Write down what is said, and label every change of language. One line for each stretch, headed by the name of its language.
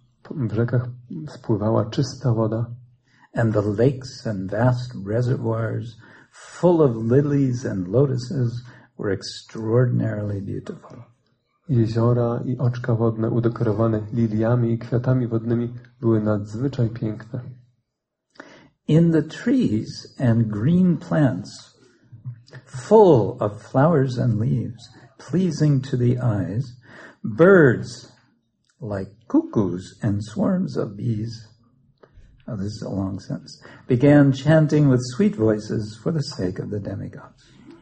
Polish: W rzekach spływała czysta woda.
English: And the lakes and vast reservoirs full of lilies and lotuses were extraordinarily beautiful.
Polish: Jeziora i oczka wodne udekorowane liliami i kwiatami wodnymi były nadzwyczaj piękne.
English: In the trees and green plants, full of flowers and leaves, pleasing to the eyes, birds like cuckoos and swarms of bees, oh, this is a long sentence, began chanting with sweet voices for the sake of the demigods.